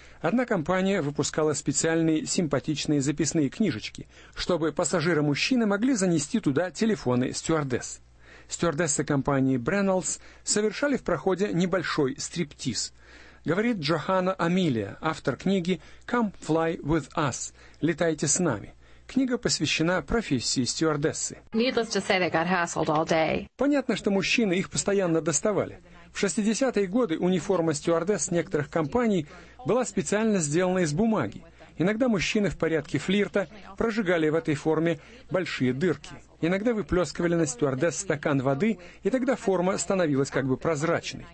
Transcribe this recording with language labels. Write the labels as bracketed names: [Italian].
[Russian] Одна компания выпускала специальные симпатичные записные книжечки, чтобы пассажиры-мужчины могли занести туда телефоны стюардесс. Стюардессы компании Brennels совершали в проходе небольшой стриптиз. Говорит Джохана Амилия, автор книги «Come fly with us» – «Летайте с нами». Книга посвящена профессии стюардессы. [English] Needless to say, they got hassled all day. [Russian] Понятно, что мужчины их постоянно доставали. В 60-е годы униформа стюардесс некоторых компаний была специально сделана из бумаги. Иногда мужчины в порядке флирта прожигали в этой форме большие дырки. Иногда выплескивали на стюардесс стакан воды, и тогда форма становилась как бы прозрачной.